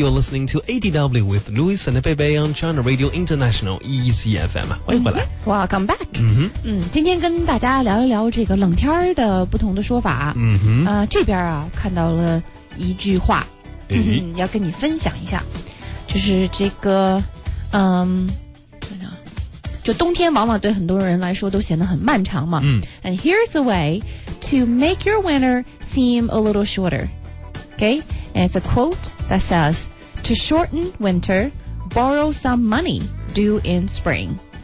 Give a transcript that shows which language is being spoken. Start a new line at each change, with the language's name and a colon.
English: You're listening to ADW with Louis and Bebe on China Radio International ECFM.
Chinese: 欢迎回来。
English: Mm-hmm. Welcome back.
Chinese: 嗯，今天跟大家聊一聊这个冷天的不同的说法。嗯哼，这边啊看到了一句话，要跟你分享一下，就是这个，就冬天往往对很多人来说都显得很漫长嘛。嗯
English: ，And here's the way. To make your winter seem a little shorter. Okay? And it's a quote that says, To shorten winter, borrow some money due in spring.